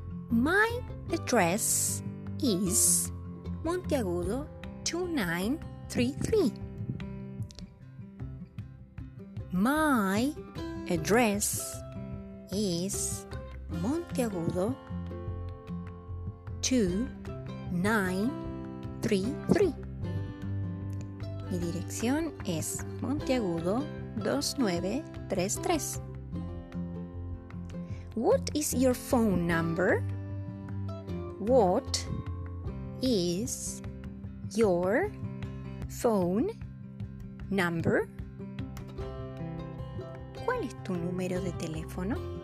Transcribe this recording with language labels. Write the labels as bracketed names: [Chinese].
[English] My address is Monteagudo 2933. My address is Monteagudo 2933. [Spanish] Mi dirección es Monteagudo 2933. [English] What is your phone number? What is your phone number? [Spanish] ¿Cuál es tu número de teléfono?